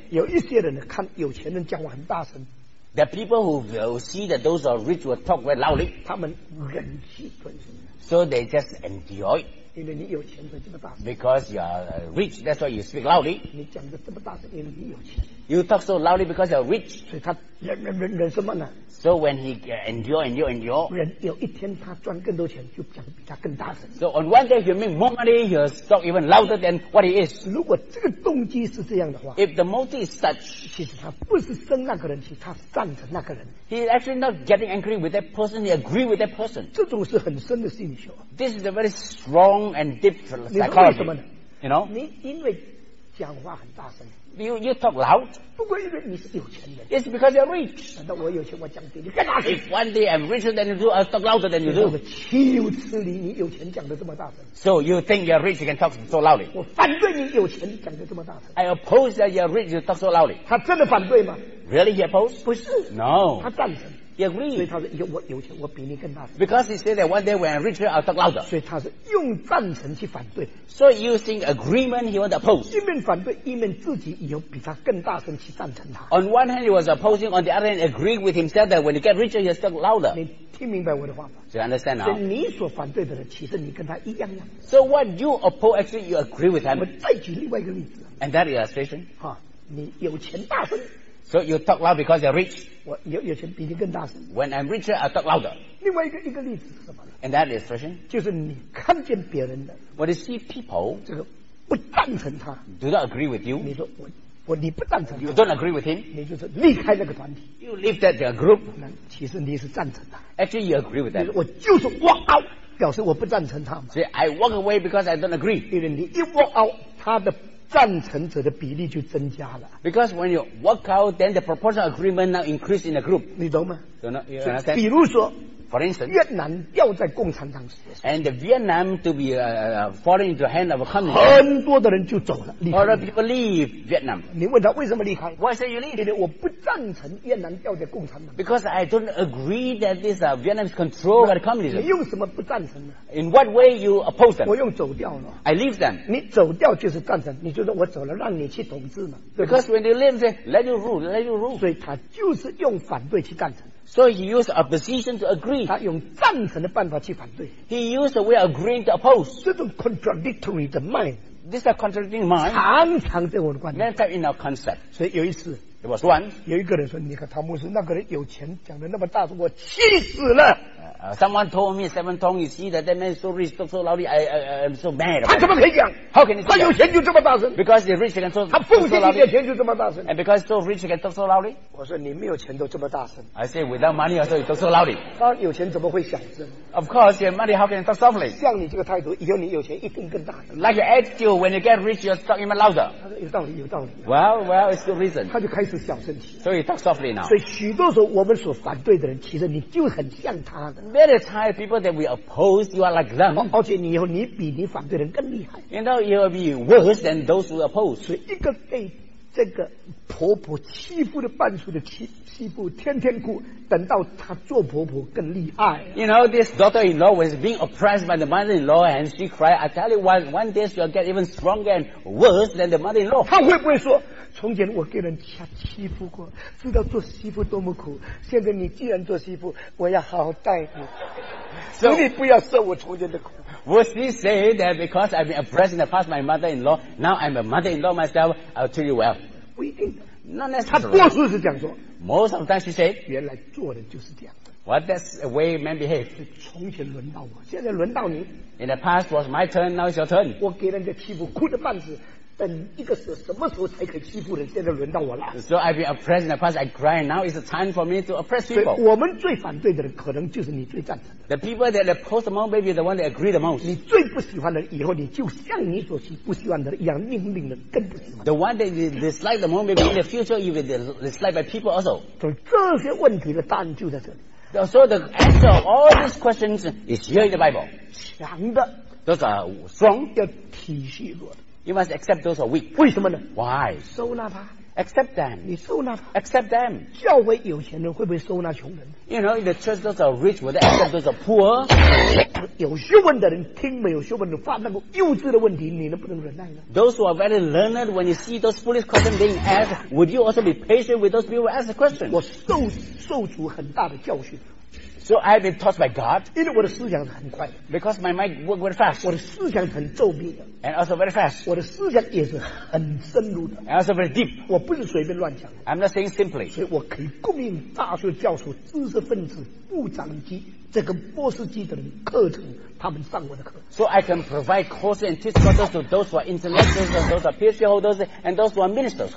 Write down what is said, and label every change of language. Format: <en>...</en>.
<zh>有一些人看有钱人讲话很大声。</zh> <en>The people who will see that those who are rich will talk very loudly.</en> <zh>他们忍气吞声。</zh> <en>So they just endure it.</en> <zh>因为你有钱才这么大声。</zh> <en>Because you are rich, that's why you speak loudly.</en> <zh>你讲得这么大声，因为你有钱。</zh> <en>You talk so loudly because you are rich.</en> <zh>所以他忍什么呢</zh> <en>？So when he endure.</en> <zh>忍有一天他赚更多钱，就讲比他更大声。</zh> <en>So on one day he make more money, he talk even louder than what he is.</en> <zh>如果这个动机是这样的话</zh> <en>，If the motive is such，</en> <zh>其实他不是生那个人气，他仗着那个人。</zh> <en>He is actually not getting angry with that person. He agree with that person.</en> <zh>这种是很深的心理学。</zh> <en>This is a very strong and deep psychology.</en> <zh>你为什么呢</zh> <en>？You know，</en> <zh>你因为。讲话很大声。</zh> <en>You talk loud.</en> <zh>不过因为你是有钱人。</zh> <en>It's because you're rich.</en> <zh>等到我有钱，我讲给你更大声。</zh> <en>If one day I'm richer than you, I'll talk louder than you do.</en> <zh>岂有此理！你有钱讲的这么大声。</zh> <en>So you think you're rich, you can talk so loudly?</en> <zh>我反对你有钱讲的这么大声。</zh> <en>I oppose that you're rich, you talk so loudly.</en> <zh>他真的反对吗</zh> <en>？Really, he opposes?</en> <zh>不是。</zh> <en>No.</en> <zh>他赞成。</zh> <en>He agreed.</en> <zh>所以他说我有钱我比你更大声</zh> <en>Because he said that one day when I'm richer I'll talk louder</en> <zh>所以他是用赞成去反对</zh> <en>So using agreement he wants to oppose</en> <zh>一面反对一面自己以后比他更大声去赞成他</zh> <en>On one hand he was opposing On the other hand agreed with himself that when he gets richer he'll talk louder</en> <zh>你听明白我的话吗</zh> <en>So you understand now</en> <zh>所以你所反对的人其实你跟他一样样</zh> <en>So what you oppose actually you agree with him</en> <zh>我再举另外一个例子</zh> <en>And that illustration</en> <zh>哈你有钱大声</zh> <en>So you talk loud because you're rich.</en> <zh>我有钱比你更大声。</zh> <en>When I'm richer, I talk louder.</en> <zh>另外一个例子是什么呢</zh> <en>？And that illustration</en> <zh>就是你看见别人的。</zh> <en>When you see people,</en> <zh>这个不赞成他。</zh> <en>Do not agree with you.</en> <zh>你说我你不赞成他。</zh> <en>You don't agree with him.</en> <zh>你就是离开那个团体。</zh> <en>You leave that group.</en> <zh>那其实你是赞成他。</zh> <en>Actually, you agree with that.</en> <zh>我就是</zh> <en>walk out，</en> <zh>表示我不赞成他嘛。</zh> <en>So I walk away because I don't agree.</en> <zh>因为你一</zh> <en>walk out，</en> <zh>他的。赞成者的比例就增加了。</zh> <en>Because when you walk out, then the proportion agreement now increase in the group.</en> <zh>你懂吗？懂了，有人在。比如说</zh> <en>，For instance，</en> <zh>越南掉在共产党手里。</zh> <en>And Vietnam to be falling into hand of communism.</en> <zh>很多的人就走了。</zh> <en>Other people leave Vietnam.</en> <zh>你问他为什么离开</zh> <en>？Why say you leave？</en> <zh>因为我不赞成越南掉在共产党。</zh> <en>Because I don't agree that this Vietnam is controlled by communism.</en> <zh>你用什么不赞成呢</zh> <en>？In what way you oppose them？</en> <zh>我用走掉了。</zh> <en>I leave them.</en> <zh>你走掉就是赞成。你就说我走了，让你去统治嘛。</zh> <en>Because when they leave, they let you rule, let you rule.</en> <zh>所以他就是用反对去赞成。</zh> <en>So he used opposition to agree.</en> <zh>他用赞成的办法去反对。</zh> <en>He used a way of agreeing to oppose.</en> <zh>这种</zh> <en>contradictory</en> <zh>的 mind.</zh> <en>This is a contradicting mind.</en> <zh>常常在我的观点。</zh> <en>Many times in our concept.</en> <zh>所以有一次</zh> <en>，there was one.</en> <zh>有一个人说：“你看汤姆斯那个人有钱，讲的那么大声，我气死了。”</zh> <en>Someone told me, Seven Tong, you see that man is so rich, so loudly, I'm so mad.</en> <zh>他怎么可以讲</zh> <en>？How can he say？</en> <zh>他有钱就这么大声</zh> <en>？Because he's rich, he can talk so loudly.</en> <zh>他奉献一点钱就这么大声</zh> <en>？And because so rich, he can talk so loudly.</en> <zh>我说你没有钱都这么大声。</zh> <en>I say without money, also you talk so loudly.</en> <zh>他有钱怎么会小声</zh> <en>？Of course, your money, how can you talk softly？</en> <zh>像你这个态度，以后你有钱一定更大声。</zh> <en>Like your attitude, when you get rich, you talk even louder.</en> <zh>他说有道理，有道理。</zh> <en>Well, it's good reason.</en> <zh>他就开始小声起。</zh> <en>So he talks softly now.</en> <zh>所以许多时候我们所反对的人，其实你就很像他的。</zh> <en>Many times people that we oppose, you are like them.</en> <zh>而且你以后你比你反对人更厉害。</zh> <en>You know, you will be worse than those who oppose.</en> <zh>所以一个被这个婆婆欺负的半数的欺负，天天哭，等到她做婆婆更厉害。</zh> <en>You know, this daughter-in-law was being oppressed by the mother-in-law, and she cried. I tell you, one day she will get even stronger and worse than the mother-in-law.</en> <zh>她会不会说？从前我给人家欺负过，知道做媳妇多么苦。现在你既然做媳妇，我要好好待你，请你不要受我从前的苦。</zh> <en>Would she say that because I've been oppressed in the past, my mother-in-law, now I'm a mother-in-law myself, I'll treat you well?</en> <zh>不一定。那那他多数是这样说。</zh> <en>Most of the time she said，</en> <zh>原来做人就是这样。</zh> <en>Well, that's the way men behave.</en> <zh>是从前轮到我，现在轮到你。</zh> <en>In the past was my turn, now it's your turn.</en> <zh>我给人家欺负，哭得半死。等一个时候，什么时候才可以欺负人？现在轮到我了。</zh> <en>So I've been oppressed in the past. I cry now. It's time for me to oppress people.</en> <zh>所以我们最反对的人，可能就是你最赞成的。</zh> <en>The people that oppose most, maybe the one that agree the most.</en> <zh>你最不喜欢的人，以后你就像你所不喜欢的人一样，命令的更不喜欢。</zh> <en>The one that you dislike the most, maybe in the future you will dislike by people also.</en> <zh>所以这些问题的答案就在这里。</zh> <en>So the answer of all these questions is here in the Bible.</en> <zh>强的</zh> <en>，those are strong.</en> <zh>要体恤弱的。</zh> <en>You must accept those who are weak.</en> <zh>为什么呢</zh> <en>？Why？</en> <zh>收纳他。</zh> <en>Accept them.</en> <zh>你收纳他。</zh> <en>Accept them.</en> <zh>教会有钱人会不会收纳穷人</zh> <en>？You know, the church those are rich will accept those are poor.</en> <zh>有学问的人听没有学问的发那个幼稚的问题，你能不能忍耐呢</zh> <en>？Those who are very learned, when you see those foolish questions being asked, would you also be patient with those people ask the question？</en> <zh>我受主很大的教训。</zh> <en>So I've been taught by God.</en> <zh>因为我的思想很快。</zh> <en>Because my mind works very fast.</en> <zh>我的思想很周密的。</zh> <en>And also very fast.</en> <zh>我的思想也是很深入的。</zh> <en>And also very deep.</en> <zh>我不是随便乱讲。</zh> <en>I'm not saying simply.</en> <zh>所以我可以供应大学教授、知识分子、部长级这个波斯基的课程，他们上我的课。</zh> <en>So I can provide courses and teach courses to those who are intellectuals and those who are PhD holders and those who are ministers.</en>